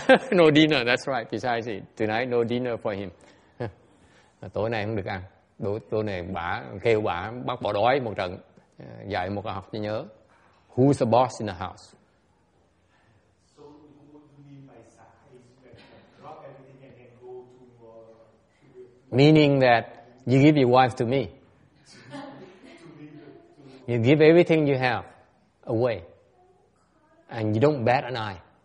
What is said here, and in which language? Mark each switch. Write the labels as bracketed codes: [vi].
[en] no dinner, that's right, besides it. Tonight no dinner for him. [vi] Tối nay không được ăn. Tối nay bà kêu bà bắt bỏ đói một trận, dạy một học cho nhớ. [en] Who's the boss in the house? Meaning that you give your wife to me. You give everything you have away. And you don't bat an eye.